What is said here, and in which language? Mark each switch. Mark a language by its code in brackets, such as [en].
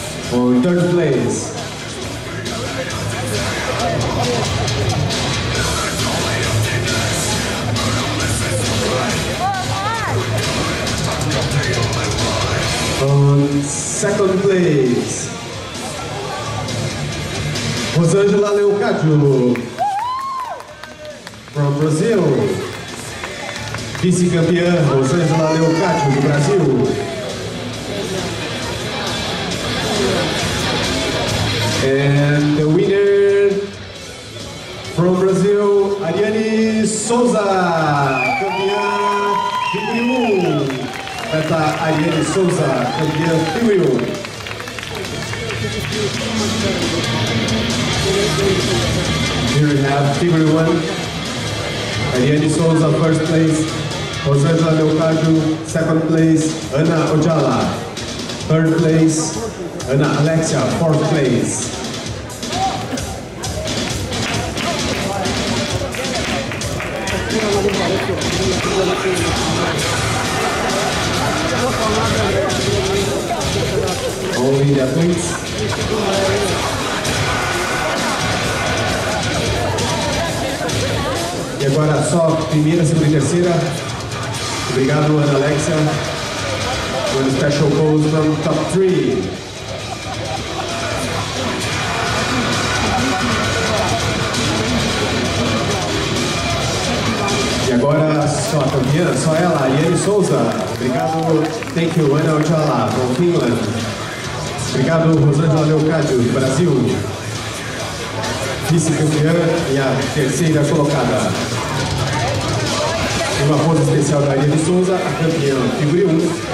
[en] For third place, second place, Rosângela Leocádio from Brazil. [pt] Vice-campeã, Rosângela Leocádio do Brasil. [en] And the winner from Brazil, Ariane Souza, [pt] campeã de Piu. Essa Ariane Souza, campeã de Piu. [en] Here we have team everyone. Ariane Souza, first place. Rosângela Leocádio, second place. Ana Ojala, third place. Ana Alexia, fourth place. Only the athletes. [pt] E agora só primeira, segunda e terceira. Obrigado, Ana Alexia. [en] One special pose from top three. [pt] E agora só a campeã, só ela, Ariane Souza. Obrigado, [en] thank you, Ana Ojala, from Finland. [pt] Obrigado, Rosângela Leocádio, do Brasil. Vice-campeã e a terceira colocada. Uma força especial da Ariane Souza, a campeã, [en] figure 1.